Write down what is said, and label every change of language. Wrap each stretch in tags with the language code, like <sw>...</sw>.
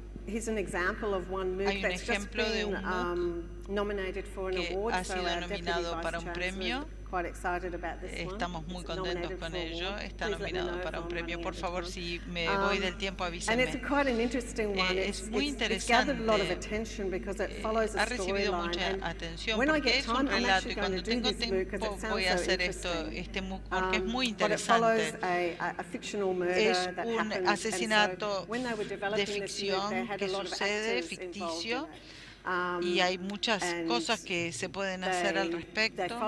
<en>Here's an example of one MOOC that's just been nominated for an award, so our Deputy Vice Chancellor is quite excited about this one.</en> <es>Estamos muy contentos con ello. Está nominado para un premio. Por favor, si me voy del tiempo, avíseme.</es> <en>And it's quite an interesting one.</en> <es>Es muy interesante.</es> <en>It's gathered a lot of attention because it follows a storyline. When I get time, I'm actually going to do this MOOC because it sounds so interesting.</en> <es>Este MOOC porque es muy interesante.</es> <en>But it follows a fictional murder that happened.</en> <es>Asesinato de ficción. Que sucede ficticio y hay muchas cosas que se pueden hacer al respecto.</es>